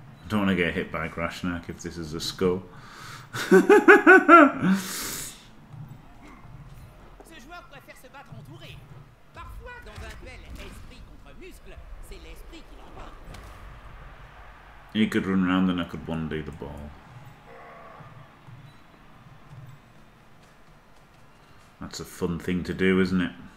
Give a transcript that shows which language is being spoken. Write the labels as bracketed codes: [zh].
[en] Don't want to get hit by Grashnak if this is a skull. [fr] Ce joueur préfère se battre entouré. Parfois dans un bel esprit contre muscle, c'est l'esprit qui l'emporte. [en] He could run around and I could one day the ball. That's a fun thing to do, isn't it?